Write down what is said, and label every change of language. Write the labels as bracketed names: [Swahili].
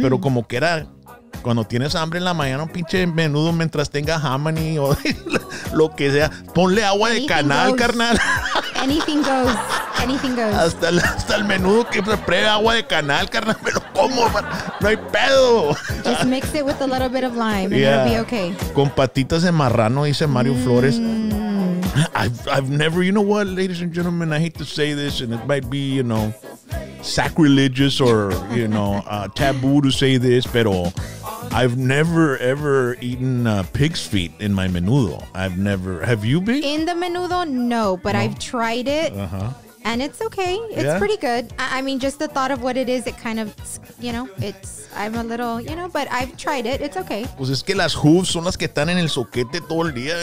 [Spanish] Pero como quiera, cuando tienes hambre en la mañana, un pinche menudo mientras tenga hominy o lo que sea, ponle agua [English] anything [Spanish] de canal, [English] goes. [Spanish] Carnal. [English] Anything goes. Anything goes. [Spanish] Hasta el menudo que prueba agua de canal, carnal. Me lo como. No hay pedo. [English] Just mix it with a little bit of lime and yeah. it'll be okay. [Spanish] Con patitas de marrano, dice Mario mm. Flores. [English] I've never, you know what, ladies and gentlemen, I hate to say this, and it might be, you know, sacrilegious or, you know, taboo to say this, [Spanish] pero [English] I've never, ever eaten pig's feet in my menudo. I've never, have you been? In the menudo, no, but no. I've tried it, uh-huh. and it's okay. It's yeah? pretty good. I mean, just the thought of what it is, it kind of, you know, it's, I'm a little, you know, but I've tried it. It's okay. [Spanish] Pues es que las [English] hooves [Spanish] son las que están en el soquete todo el día.